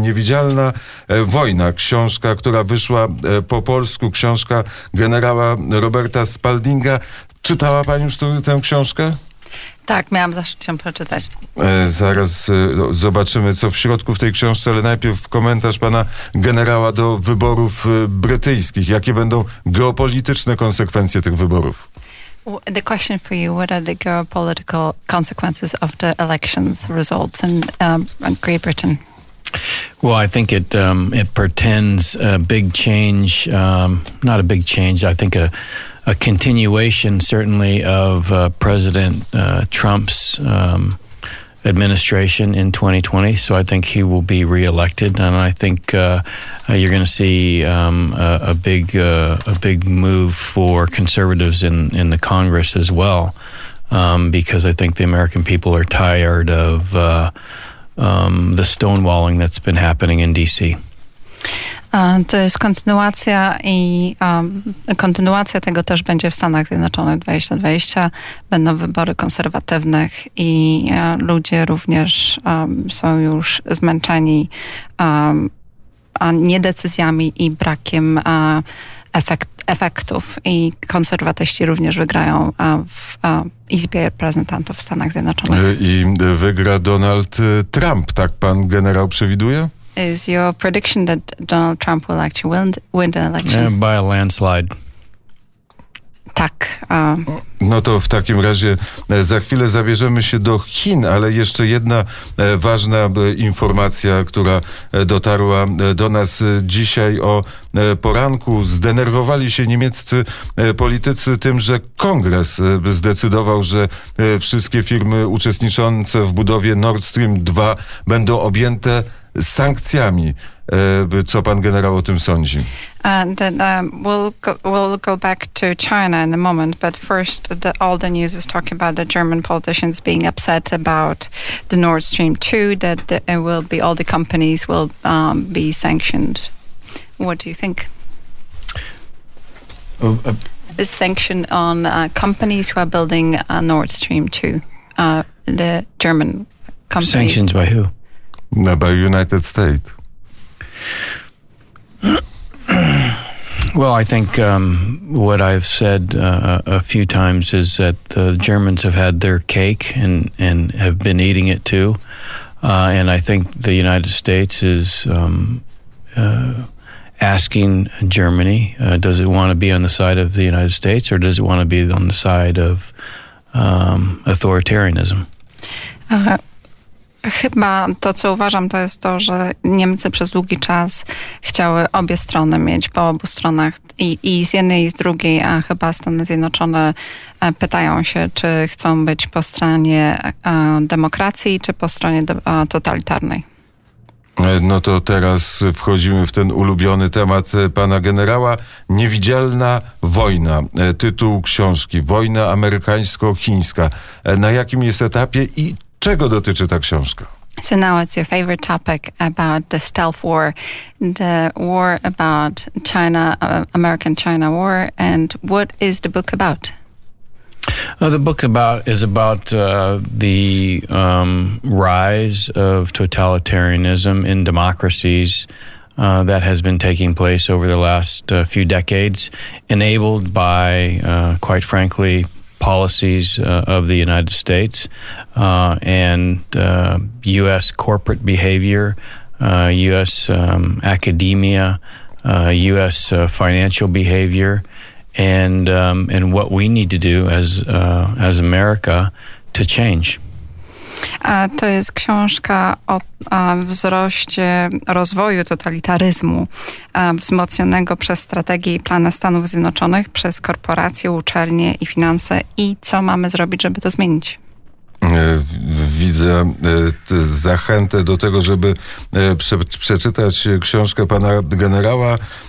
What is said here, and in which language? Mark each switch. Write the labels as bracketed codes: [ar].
[pl] Niewidzialna wojna, książka, która wyszła po polsku, książka generała Roberta Spaldinga. Czytała pani już tę książkę? Tak, miałam zaszczyt ją przeczytać. Zaraz zobaczymy, co w środku w tej książce, ale najpierw komentarz pana generała do wyborów brytyjskich. Jakie będą geopolityczne konsekwencje tych wyborów? [en] The question for you, what are the geopolitical consequences of the elections results in Great Britain? Well, I think it it portends a big change, not a big change, I think a continuation certainly of President Trump's administration in 2020. So I think he will be reelected, and I think you're going to see a big move for conservatives in the Congress as well, because I think the American people are tired of the stonewalling that's been happening in D.C. [pl] To jest kontynuacja i kontynuacja tego też będzie w Stanach Zjednoczonych 2020. Będą wybory konserwatywnych i ludzie również są już zmęczeni niedecyzjami i brakiem efektów. I konserwatyści również wygrają w Izbie Reprezentantów w Stanach Zjednoczonych. I wygra Donald Trump, tak pan generał przewiduje? [en] Is your prediction that Donald Trump will actually win the election? Yeah, by a landslide. [pl] Tak. No to w takim razie za chwilę zabierzemy się do Chin, ale jeszcze jedna ważna informacja, która dotarła do nas dzisiaj o poranku. Zdenerwowali się niemieccy politycy tym, że Kongres zdecydował, że wszystkie firmy uczestniczące w budowie Nord Stream 2 będą objęte sankcjami. Co pan generał o tym sądzi? [en] And then, we'll go back to China in a moment, but first all the news is talking about the German politicians being upset about the Nord Stream 2, that it will be all the companies will be sanctioned. What do you think? The sanction on companies who are building Nord Stream 2, the German companies. Sanctions by who? No, by United States. Well, I think what I've said a few times is that the Germans have had their cake and have been eating it too. And I think the United States is asking Germany, does it want to be on the side of the United States or does it want to be on the side of authoritarianism? [pl] Chyba to, co uważam, to jest to, że Niemcy przez długi czas chciały obie strony mieć po obu stronach i z jednej i z drugiej, a chyba Stany Zjednoczone pytają się, czy chcą być po stronie demokracji, czy po stronie totalitarnej. No to teraz wchodzimy w ten ulubiony temat pana generała. Niewidzialna wojna, tytuł książki, wojna amerykańsko-chińska. Na jakim jest etapie i czego dotyczy ta książka? [en] So now it's your favorite topic about the stealth war, the war about China, American-China war, and what is the book about? The book is about the rise of totalitarianism in democracies that has been taking place over the last few decades, enabled by, quite frankly, policies of the United States and U.S. corporate behavior, U.S. Academia, U.S. Financial behavior, and what we need to do as America to change. [pl] To jest książka o wzroście rozwoju totalitaryzmu wzmocnionego przez strategię i plany Stanów Zjednoczonych, przez korporacje, uczelnie i finanse i co mamy zrobić, żeby to zmienić. Widzę zachętę do tego, żeby przeczytać książkę pana generała.